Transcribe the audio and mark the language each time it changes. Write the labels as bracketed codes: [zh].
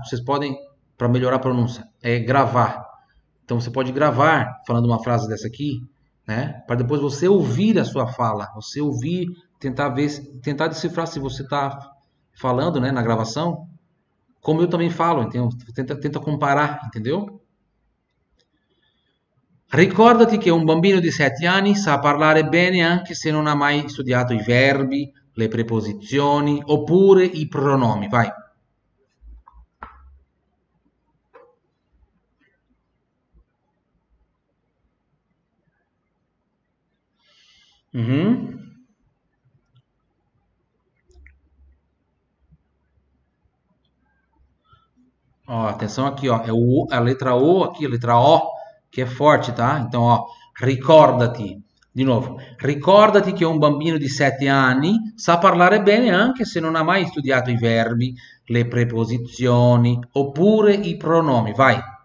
[pt] Vocês podem, para melhorar a pronúncia, é gravar. Então você pode gravar falando uma frase dessa aqui, né? Para depois você ouvir a sua fala, você ouvir, tentar ver, tentar decifrar se você está falando, né, na gravação, como eu também falo, entendeu? Tenta comparar, entendeu? [it] Ricordati che un bambino di 7 anni sa parlare bene anche se non ha mai studiato i verbi, le preposizioni oppure i pronomi. [pt] Vai. Ó, atenção aqui, ó. É a letra O aqui, a letra O, que é forte, tá? Então, ó, ricordati. De novo, [it] ricordati che un bambino di 7 anni sa parlare bene anche se non ha mai studiato i verbi, le preposizioni oppure i pronomi. [pt] Vai.